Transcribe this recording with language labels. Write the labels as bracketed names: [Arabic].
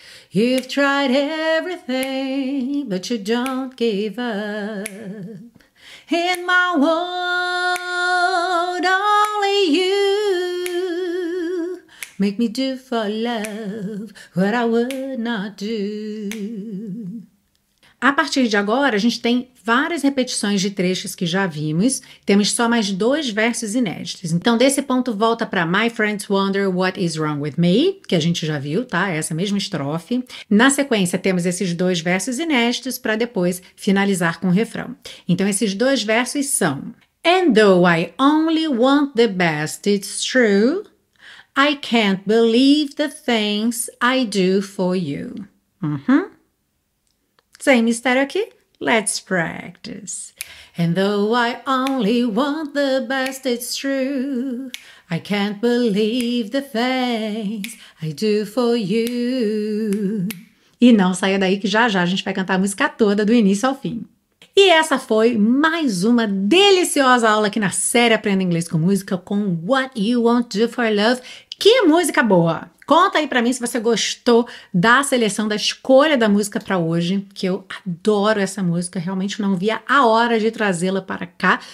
[English] You've tried everything, but you don't give up. In my world, only you. Make me do for love what I would not do. [Portuguese] A partir de agora, a gente tem várias repetições de trechos que já vimos. Temos só mais dois versos inéditos. Então, desse ponto, volta para [English] My Friends Wonder What Is Wrong With Me, [Portuguese] que a gente já viu, tá? Essa mesma estrofe. Na sequência, temos esses dois versos inéditos para depois finalizar com o refrão. Então, esses dois versos são: [English] And though I only want the best, it's true, I can't believe the things I do for you. Uhum. Same mistério aqui. Let's practice. And though I only want the best, it's true. I can't believe the things I do for you. [Portuguese] E não saia daí que já a gente vai cantar a música toda do início ao fim. E essa foi mais uma deliciosa aula aqui na série Aprenda Inglês com Música com What You Won't Do For Love. Que música boa! Conta aí pra mim se você gostou da seleção, da escolha da música pra hoje, que eu adoro essa música, realmente não via a hora de trazê-la para cá.